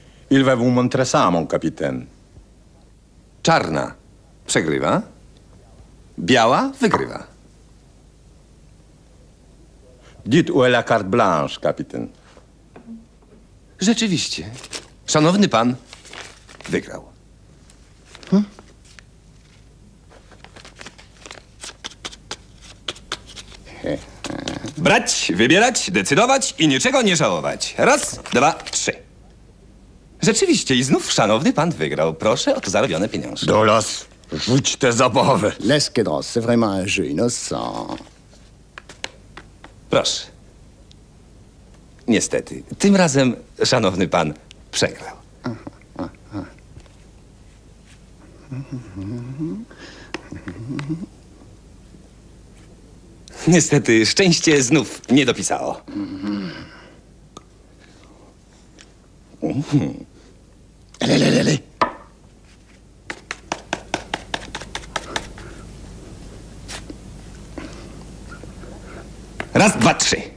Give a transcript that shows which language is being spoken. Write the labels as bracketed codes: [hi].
[fr] Il va vous montrer ça, mon capitaine. [pl] Czarna przegrywa, biała wygrywa. [fr] Dites où est la carte blanche, capitaine. [pl] Rzeczywiście. Szanowny pan wygrał. Brać, wybierać, decydować i niczego nie żałować. Raz, dwa, trzy. Rzeczywiście, i znów szanowny pan wygrał. Proszę o to zarobione pieniądze. Dolas, rzuć tę zabawę. [fr] Laisse Kedros, c'est vraiment un jeu innocent. [pl] Proszę. Niestety, tym razem szanowny pan przegrał. Niestety, szczęście znów nie dopisało. [fr] Allez, allez, allez, allez. [pl] Raz, dwa, trzy.